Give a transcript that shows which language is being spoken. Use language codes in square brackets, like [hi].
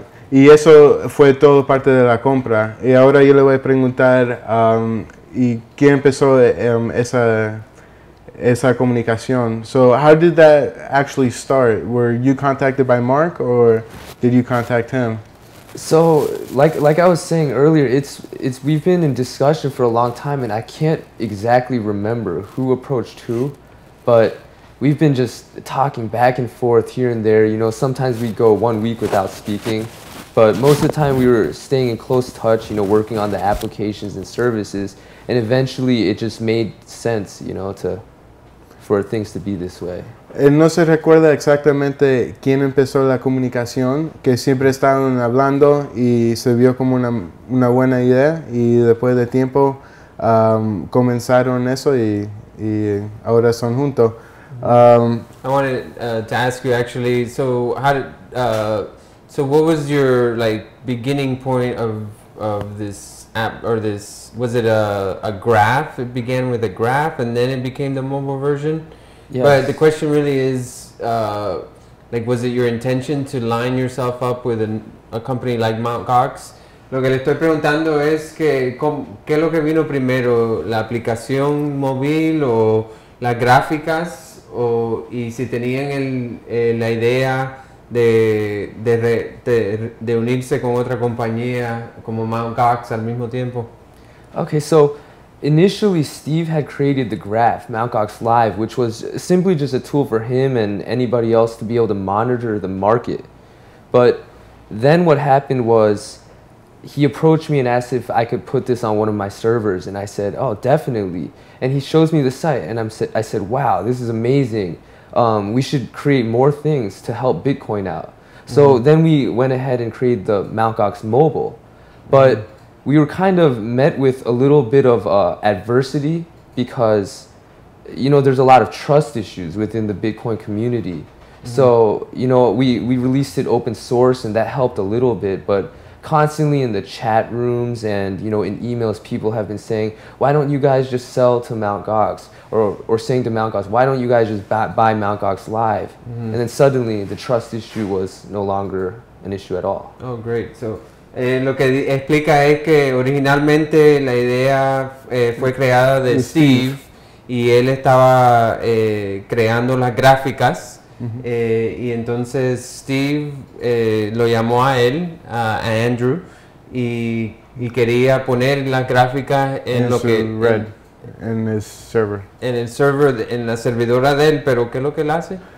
[es] Y eso fue todo parte de la compra. Y ahora yo le voy a preguntar, ¿y quién empezó esa comunicación? [en] So, how did that actually start? Were you contacted by Mark, or did you contact him? So, like I was saying earlier, it's we've been in discussion for a long time, and I can't exactly remember who approached who, but we've been just talking back and forth here and there. You know, sometimes we'd go 1 week without speaking, but most of the time we were staying in close touch, you know, working on the applications and services, and eventually it just made sense, you know, to for things to be this way. [es] Él no se recuerda exactamente quién empezó la comunicación, que siempre estaban hablando y se vio como una buena idea, y después de tiempo comenzaron eso y ahora son juntos. [en] I wanted to ask you actually, so how did, so what was your like beginning point of this app, or this, was it a graph? It began with a graph and then it became the mobile version? Yes. But the question really is, like, was it your intention to line yourself up with a company like Mt. Gox? [es] Lo que le estoy preguntando es que, ¿qué es lo que vino primero? ¿La aplicación móvil o las gráficas? O, y si tenían la idea de unirse con otra compañía como Mt. Gox al mismo tiempo. [en] Okay, so initially Steve had created the graph, Mt. Gox Live, which was simply just a tool for him and anybody else to be able to monitor the market. But then what happened was he approached me and asked if I could put this on one of my servers, and I said, oh, definitely. And he shows me the site, and I said, wow, this is amazing. We should create more things to help Bitcoin out. So mm-hmm. then we went ahead and created the Mt. Gox Mobile. But we were kind of met with a little bit of adversity because, you know, there's a lot of trust issues within the Bitcoin community. Mm-hmm. So, you know, we released it open source, and that helped a little bit, but constantly in the chat rooms and, you know, in emails, people have been saying, why don't you guys just sell to Mt. Gox? Or saying to Mt. Gox, why don't you guys just buy Mt. Gox Live? Mm-hmm. And then suddenly the trust issue was no longer an issue at all. Oh, great. [es] So lo que explica es que originalmente la idea fue creada de Steve y él estaba creando las gráficas. Uh-huh. Y entonces Steve lo llamó a él, a Andrew, y quería poner las gráficas en la servidora de él, pero ¿qué es lo que él hace?